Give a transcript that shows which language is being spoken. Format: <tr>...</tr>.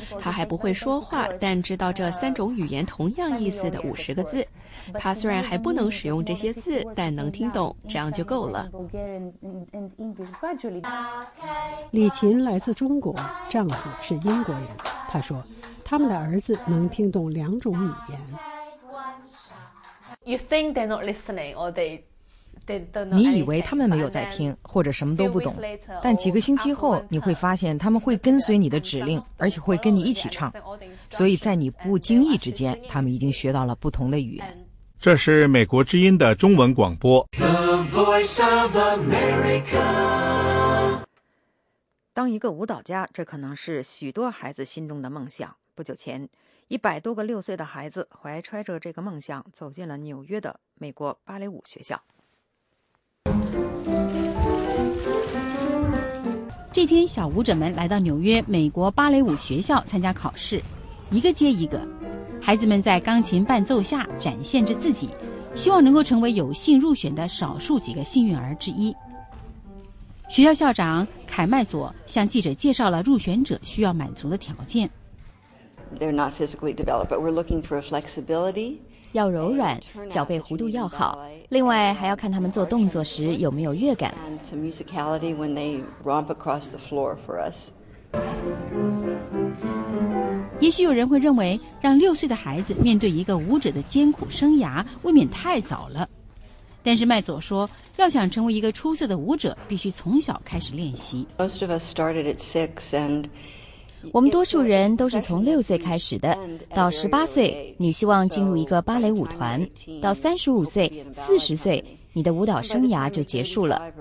<zh>他还不会说话，但知道这三种语言同样意思的50个字。他虽然还不能使用这些字，但能听懂，这样就够了。李琴来自中国，丈夫是英国人。他说，他们的儿子能听懂两种语言。</zh> <en>You think they're not listening, or they don't know.</en> <zh>你以为他们没有在听，或者什么都不懂，但几个星期后，你会发现他们会跟随你的指令，而且会跟你一起唱。所以在你不经意之间，他们已经学到了不同的语言。这是美国之音的中文广播。</zh> <en>The Voice of America。</en> <zh>当一个舞蹈家，这可能是许多孩子心中的梦想。不久前，100多个6岁的孩子怀揣着这个梦想走进了纽约的美国芭蕾舞学校。这天，小舞者们来到纽约美国芭蕾舞学校参加考试，一个接一个。孩子们在钢琴伴奏下展现着自己，希望能够成为有幸入选的少数几个幸运儿之一。学校校长凯麦佐向记者介绍了入选者需要满足的条件。</zh> <en>They're not physically developed, but we're looking for flexibility.</en> <zh>要柔软，脚背弧度要好，另外还要看他们做动作时有没有乐感。</zh> <en>And some musicality when they romp across the floor for us.</en> <zh>也许有人会认为让6岁的孩子面对一个舞者的艰苦生涯未免太早了，但是麦佐说，要想成为一个出色的舞者，必须从小开始练习。</zh> <en>Most of us started at six, and</en> <zh>我们多数人都是从6岁开始的。到18岁，你希望进入一个芭蕾舞团；到35岁、40岁，你的舞蹈生涯就结束了。</zh>